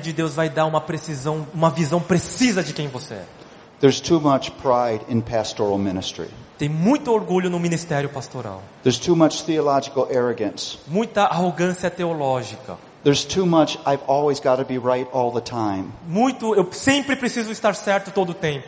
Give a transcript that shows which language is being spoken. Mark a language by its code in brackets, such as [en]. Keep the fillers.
[pt] de Deus vai dar uma precisão, uma visão precisa de quem você é. [en] There's too much pride in pastoral ministry. [pt] Tem muito orgulho no ministério pastoral. [en] There's too much theological arrogance. [pt] Muita arrogância teológica. [en] There's too much I've always got to be right all the time. [pt] Muito, eu sempre preciso estar certo todo o tempo.